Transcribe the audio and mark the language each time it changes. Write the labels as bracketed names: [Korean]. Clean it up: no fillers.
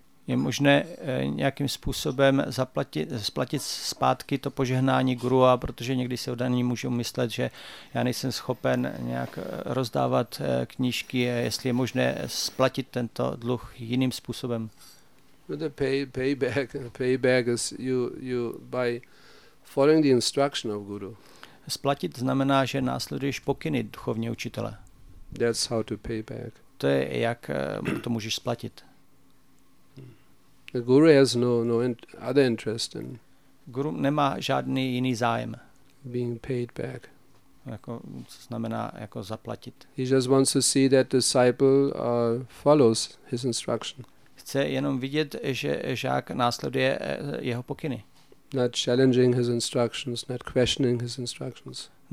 [Czech] Je možné nějakým způsobem splatit zpátky to požehnání gurua, protože někdy se odaní můžou myslet, že já nejsem schopen nějak rozdávat knížky, jestli je možné splatit tento dluh jiným způsobem. [English] The payback is you by following the instruction of guru. [Czech] Splatit znamená, že následuješ pokyny duchovního učitele. [English] That's how to pay back. [Czech] To je, jak to můžeš splatit. [English] The guru has no other interest in. [Czech] Guru nemá žádný jiný zájem. [English] Being paid back. [Czech] Jako, co znamená jako zaplatit. [English] He just wants to see that disciple follows his instruction. [Czech] Chce jenom vidět, že žák následuje jeho pokyny. [English] Not challenging his instructions, not questioning his instructions.